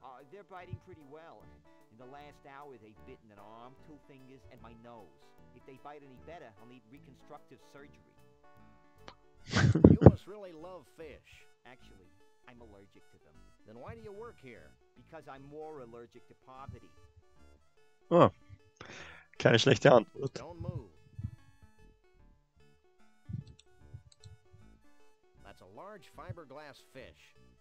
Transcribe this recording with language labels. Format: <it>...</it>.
<en>They're biting pretty well. In the last hour, they've bitten an arm, two fingers, and my nose. If they bite any better, I'll need reconstructive surgery. You must really love fish. Actually, I'm allergic to them. Then why do you work here? Because I'm more allergic to poverty.</en> <de>Oh, keine schlechte Antwort.</de> <en>Don't move. That's a large fiberglass fish.</en>